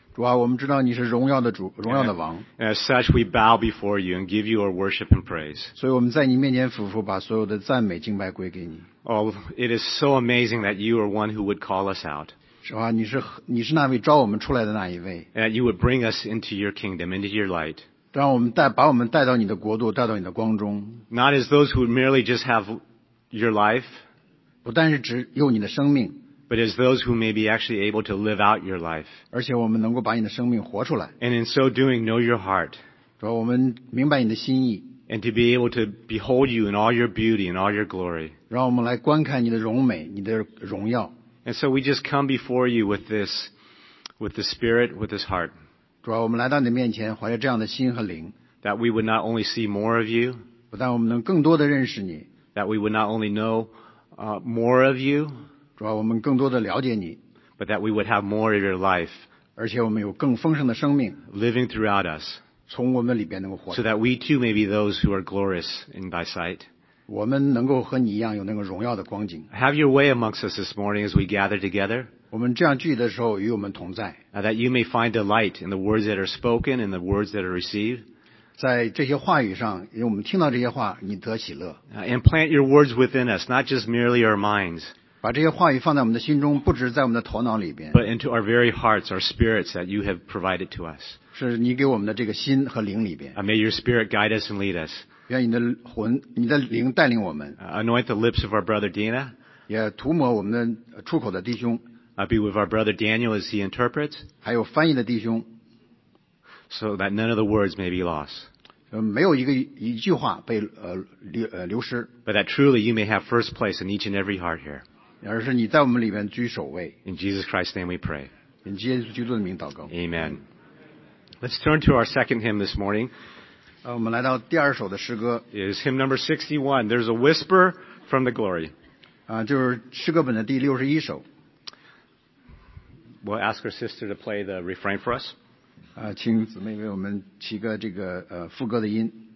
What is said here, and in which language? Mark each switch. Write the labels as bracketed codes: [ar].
[zh] 主啊，我们知道你是荣耀的主，荣耀的王。 [en] And as such, we bow before you and give you our worship and praise. [zh] 所以我们在你面前俯伏，把所有的赞美敬拜归给你。 [en] Oh, it is so amazing that you are one who would call us out. [zh] 主啊，你是那位召我们出来的那一位。 [en] And that you would bring us into your kingdom, into your light. [zh] 让我们带把我们带到你的国度，带到你的光中。 [en] Not as those who merely just have your life, [zh] 不但是只有你的生命， [en] but as those who may be actually able to live out your life. [zh] 而且我们能够把你的生命活出来。 [en] And in so doing, know your heart. [zh] 说我们明白你的心意。 [en] And to be able to behold you in all your beauty and all your glory. [zh] 让我们来观看你的荣美，你的荣耀。 [en] And so we just come before you with the spirit, with this heart. [zh] 主啊，我们来到你的面前，怀着这样的心和灵。 [en] That we would not only see more of you. [zh] 不但我们能更多的认识你。 [en] That we would not only know more of you. [zh] 主啊，我们更多的了解你。 [en] But that we would have more of your life. [zh] 而且我们有更丰盛的生命。 [en] Living throughout us. [zh] 从我们里边能够活。 [en] So that we too may be those who are glorious in thy sight. [zh] 我们能够和你一样有那个荣耀的光景。 [en] Have your way amongst us this morning as we gather together. [zh] 我们这样聚的时候与我们同在。 [en] That you may find delight in the words that are spoken and the words that are received. [zh] 在这些话语上，因为我们听到这些话，你得喜乐。 [en] And plant your words within us, not just merely our minds. [zh] 把这些话语放在我们的心中，不只是在我们的头脑里边。 [en] But into our very hearts, our spirits that you have provided to us. [zh] 是你给我们的这个心和灵里边。 [en] May your spirit guide us and lead us. [zh] 愿你的魂，你的灵带领我们。 [en] Anoint the lips of our brother Dina. [zh] 也涂抹我们的出口的弟兄。 [en] I'll be with our brother Daniel as he interprets. [zh] 还有翻译的弟兄。 [en] So that none of the words may be lost. [zh] 没有一句话被流失。 [en] But that truly you may have first place in each and every heart here. [zh] 而是你在我们里面居首位。 [en] In Jesus Christ's name we pray. [zh] 以耶稣基督的名祷告。 [en] Amen. Let's turn to our second hymn this morning. [zh] 我们来到第二首的诗歌。 [en] It's hymn number 61. There's a whisper from the glory. [zh] 就是诗歌本的第61首。 [en] We'll ask our sister to play the refrain for us. [zh] 请姊妹为我们起个这个副歌的音。